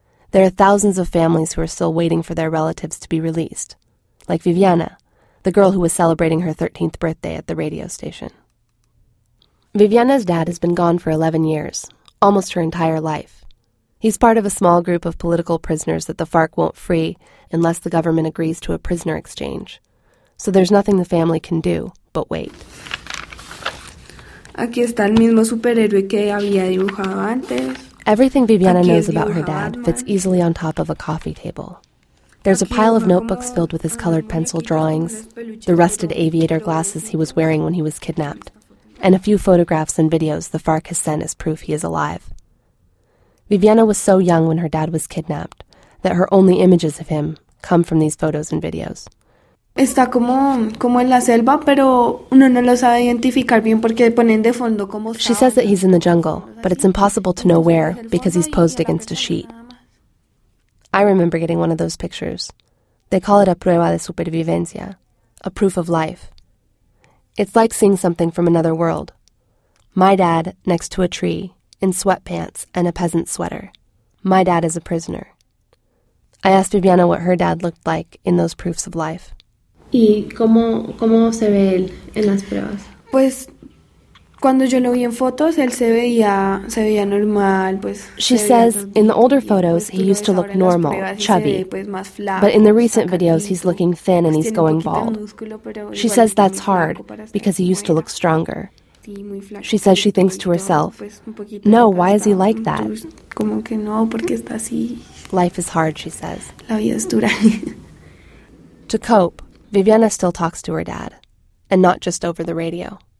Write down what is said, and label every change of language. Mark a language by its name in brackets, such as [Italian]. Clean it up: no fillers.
[English] There are thousands of families who are still waiting for their relatives to be released, like Viviana, the girl who was celebrating her 13th birthday at the radio station. Viviana's dad has been gone for 11 years, almost her entire life. He's part of a small group of political prisoners that the FARC won't free unless the government agrees to a prisoner exchange. So there's nothing the family can do but wait. [Spanish] Aquí está el mismo superhéroe que había dibujado antes. [English] Everything Viviana knows about her dad fits easily on top of a coffee table. There's a pile of notebooks filled with his colored pencil drawings, the rusted aviator glasses he was wearing when he was kidnapped, and a few photographs and videos the FARC has sent as proof he is alive. Viviana was so young when her dad was kidnapped that her only images of him come from these photos and videos. [Spanish] Está como en la selva, pero uno no lo sabe identificar bien porque ponen de fondo como. [English] She says that he's in the jungle, but it's impossible to know where because he's posed against a sheet. I remember getting one of those pictures. They call it a [Spanish] prueba de supervivencia, [English] a proof of life. It's like seeing something from another world. My dad next to a tree, in sweatpants and a peasant sweater. My dad is a prisoner. I asked Viviana what her dad looked like in those proofs of life. [Spanish] ¿Y cómo se ve él en las pruebas? Pues, cuando yo lo vi en fotos, él se veía normal, pues... [English] She says, in the older photos, he used to look normal, chubby. But in the recent videos, he's looking thin and he's going bald. She says that's hard, because he used to look stronger. She says she thinks to herself, no, why is he like that? [Spanish] Como que no, porque está así. [English] Life is hard, she says. [Spanish] La vida es dura. [English] To cope, Viviana still talks to her dad, and not just over the radio.